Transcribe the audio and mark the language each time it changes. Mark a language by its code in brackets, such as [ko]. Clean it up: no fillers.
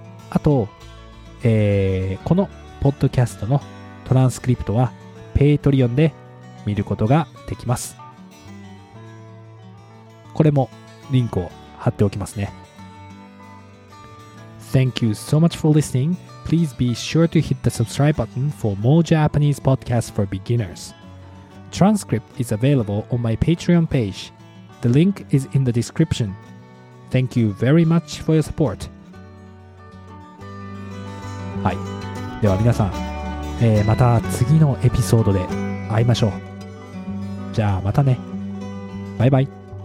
[ja] あと、このポッドキャストのトランスクリプトは Patreon で見ることができます。これもリンクを貼っておきますね。 [en] Thank you so much for listening. Please be sure to hit the subscribe button for more Japanese podcasts for beginners. Transcript is available on my Patreon page. The link is in the description. Thank you very much for your support. [ja] はい、では皆さん、また次のエピソードで会いましょう。じゃあまたね。バイバイ。